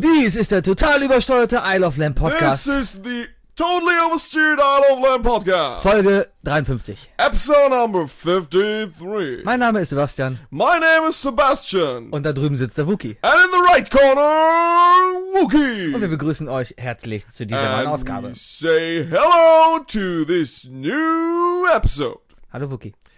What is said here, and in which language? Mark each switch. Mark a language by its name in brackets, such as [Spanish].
[German] Dies ist der total übersteuerte Isle of Lamb Podcast. [English] This is the totally oversteered Isle of Lamb Podcast. [German] Folge 53. [English] Episode number 53. [German] Mein Name ist Sebastian. [English] My name is Sebastian. [German] Und da drüben sitzt der Wookie. [English] And in the right corner, Wookie. [German] Und wir begrüßen euch herzlich zu dieser [English] and [German] neuen Ausgabe. [English] Say hello to this new episode. [German] Hallo Wookie.